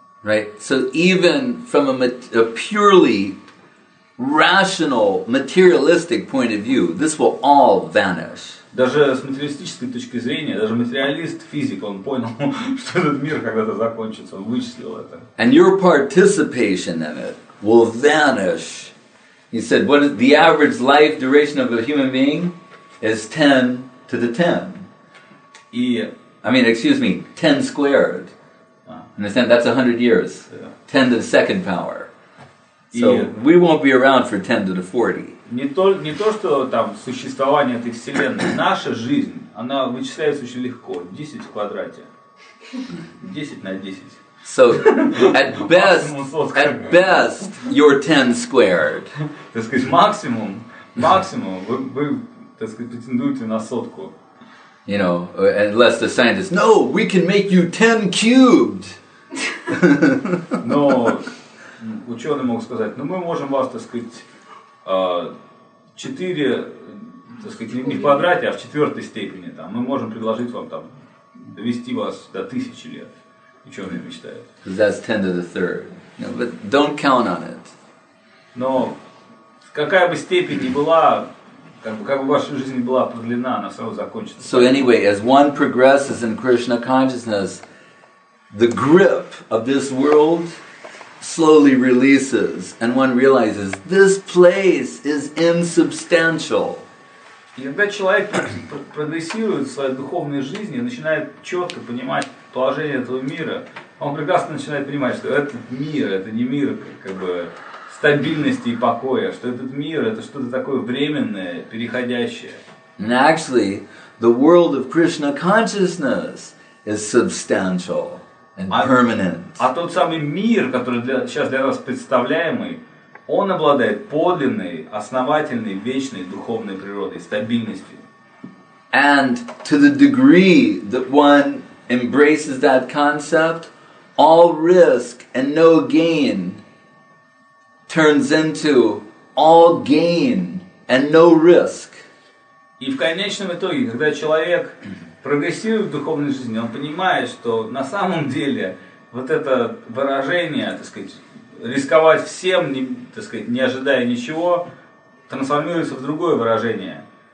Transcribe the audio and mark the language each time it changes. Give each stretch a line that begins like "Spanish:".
English: Right. So even from a purely rational, materialistic point of view, this will all vanish.
Russian: Даже с материалистической точки зрения, даже материалист, физик, он понял, что этот мир когда-то закончится. Он вычислил это.
English: And your participation in it will vanish. He said, what is the average life duration of a human being is 10 to the 10. Excuse me, 10 squared. Understand? That's 100 years. Yeah. 10 to the second power. So we won't be around for 10 to the 40.
Russian: Не то, что там существование этой вселенной. Наша жизнь, она вычисляется очень легко. 10 в квадрате. 10 на 10.
English: So at best, you're 10 squared.
Russian: Так сказать, максимум, вы, так сказать, претендуете на сотку.
English: You know, unless the scientists, no, we can make you 10 cubed.
Russian: Но ученые могут сказать, мы можем вас, так сказать, 4, так сказать, не в квадрате, а в четвертой степени. Там. Мы можем предложить вам там довести вас до 1000 лет. Ученые мечтают.
English: Because that's 10 to the third. No, but don't count on it.
Russian: Но какая бы степень ни была, как бы ваша жизнь ни была продлена, она сразу закончится.
English: So anyway, as one progresses in Krishna consciousness, the grip of this world slowly releases, and one realizes this place is insubstantial.
Russian: И когда человек прогрессирует в своей духовной жизни, начинает четко понимать положение этого мира, он прекрасно начинает понимать, что этот мир это не мир как бы стабильности и покоя, что этот мир это что-то такое временное, переходящее.
English: And actually, the world of Krishna consciousness is substantial. and permanent.
Russian: А тот самый мир, который для, сейчас для нас представляемый, он обладает подлинной, основательной, вечной духовной природой, стабильностью.
English: And to the degree that one embraces that concept, all risk and no gain turns into all gain and no risk.
Russian: И в конечном итоге, когда человек прогрессирует в духовной жизни, он понимает, что на самом деле вот это выражение, так сказать, рисковать всем, не, так сказать, не ожидая ничего, трансформируется в другое выражение.